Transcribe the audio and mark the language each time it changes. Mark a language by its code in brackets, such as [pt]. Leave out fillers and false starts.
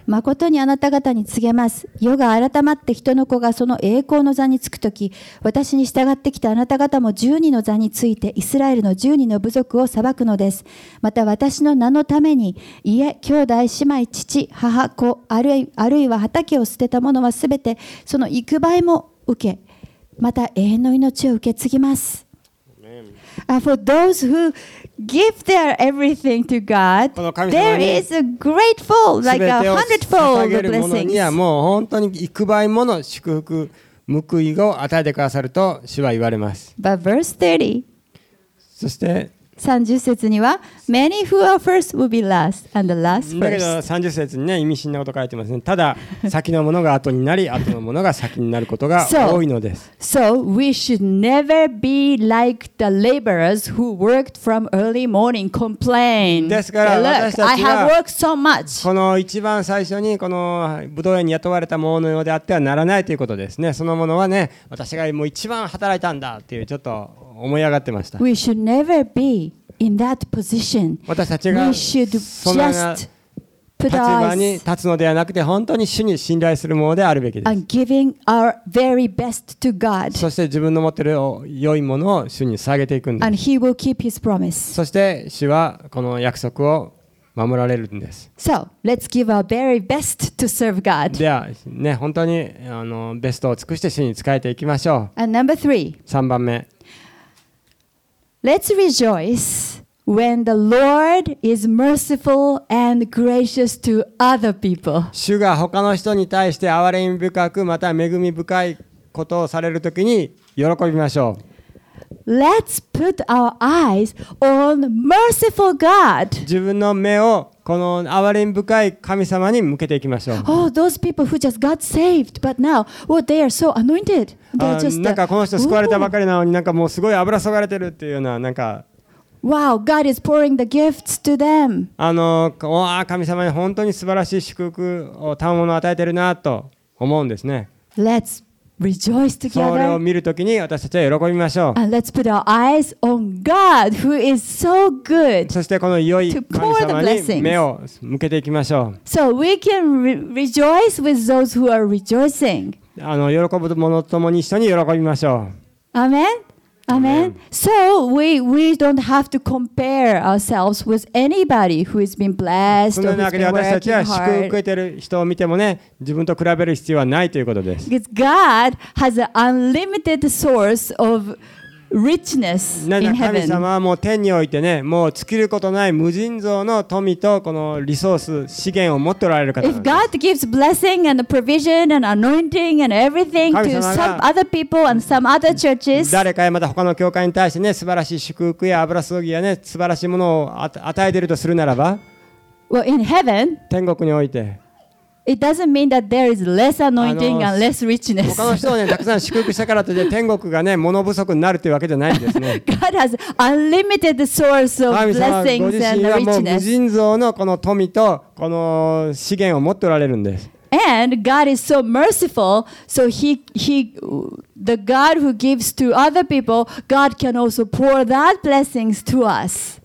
[ja] 誠にあなた方に告げます、世が改まって人の子がその栄光の座につくとき、私に従ってきたあなた方も十二の座についてイスラエルの十二の部族を裁くのです。また私の名のために、家、兄弟、姉妹、父、母、子、あるいは畑を捨てた者はすべてその行く場合も受け、また永遠の命を受け継ぎます。 [en] For those who give their everything to God, there is a grateful, like a hundredfold blessings. [ja] 捧げる者にはもう本当に幾倍もの祝福、報いを与えてくださると主は言われます。 [en] But verse 30, [ja] そして 30節には、 [en] Many who are first will be last, and the last first. [ja] だけど30節に、ね、意味深なこと書いてますね。ただ、先のものが後になり、後のものが先になることが多いのです。 [en] So we should never be like the laborers who worked from early morning complain. [ja] ですから、私たちは、 [en] I have worked so much. [ja] この一番最初に、この武道園に雇われた者のようであってはならないということですね。そのものはね、私がもう一番働いたんだっていう、ちょっと。思い上がってました。 [en] We should never be in that position. [ja] 私たちがそんな立場に立つのではなくて、本当に主に信頼するものであるべきです。 [en] And giving our very best to God. [ja] そして自分の持っている良いものを主に捧げていくんです。 [en] And he will keep his promise. [ja] そして主はこの約束を守られるんです。 [en] So, let's give our very best to serve God. [ja] では、ね、本当にあのベストを尽くして主に仕えていきましょう。 [en] And number three. [ja] 3番目。 [en] Let's rejoice when the Lord is merciful and gracious to other people. [ja] 主が他の人に対して憐れみ深く、また恵み深いことをされるときに喜びましょう。 [en] Let's put our eyes on merciful God. [ja] 自分の目をこの憐れみ深い神様に向けていきましょう。 [en] Oh, those people who just got saved, but now, well, they are so anointed. They're just [ja] なんかこの人救われたばかりなのに、なんかもうすごい油注がれてるっていうような、なんか。 [en] Wow, God is pouring the gifts to them. [ja] あの、おお、神様に本当に素晴らしい祝福を賜物を与えてるなと思うんですね。 [en] Let's rejoice together. [ja] それを見るときに私たちは喜びましょう。 [en] And let's put our eyes on God, who is so good. [ja] そしてこの良い神様に目を向けていきましょう。 [en] So we can rejoice with those who are rejoicing. [ja] 喜ぶ者ともに一緒に喜びましょう。アメン。アメン。 [en] So we don't have to compare ourselves with anybody who has been blessed or who's been working hard. [ja] 私たちは祝福を受けている人を見てもね、自分と比べる必要はないということです。 [en] Because God has an unlimited source of richness in heaven. [ja] 神様はもう天においてね、もう尽きることない無尽蔵の富とこのリソース、資源を持っておられる方なんです。 [en] If God gives blessing and provision and anointing and everything to some other people and some other churches, [ja] 誰かやまた他の教会に対してね、素晴らしい祝福や油注ぎやね、素晴らしいものを与えているとするならば、 [en] well, in heaven, [ja] 天国において。 [en] It doesn't mean that there is less anointing and less richness. [ja] 他の人をね、たくさん祝福したからといって天国がね、物不足になるというわけじゃないんですね。 [en] God has unlimited source of blessings and richness. [ja] 神様ご自身はもう無尽蔵のこの富とこの資源を持っておられるんです。 [en] And God is so merciful, so he the God who gives to other people, God can also pour that blessings to us.